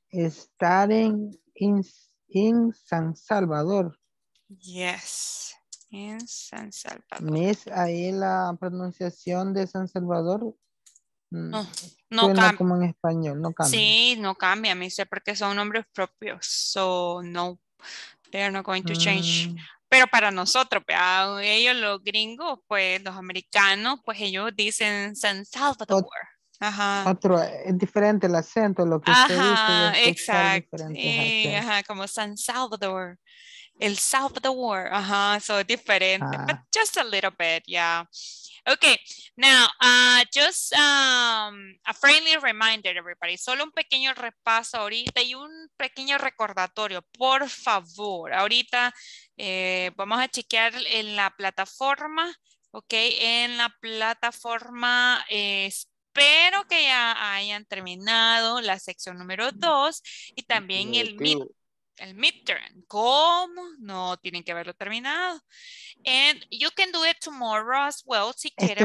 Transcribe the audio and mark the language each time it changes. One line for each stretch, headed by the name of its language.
English: studying in San Salvador. Yes, in San Salvador.
Spanish: Miss, ahí la pronunciación de San Salvador no cambia. Como en español, no cambia. Sí, no cambia, Miss, porque son nombres propios.
English: So, no, they are not going to change.
Spanish: Pero para nosotros, ellos los gringos, pues los americanos, pues ellos dicen San Salvador. Otro, es diferente el acento, lo que ajá, como San Salvador, el Salvador, ajá, so diferente,
English: but just a little bit, yeah. Okay, now, just a friendly reminder, everybody,
Spanish: solo un pequeño repaso ahorita y un pequeño recordatorio, por favor, ahorita vamos a chequear en la plataforma, ok, en la plataforma Spotify. Espero que ya hayan terminado la sección número 2 y también el midterm. ¿Cómo? No tienen que haberlo terminado.
English: And you can do it tomorrow as well
Spanish: si quieren.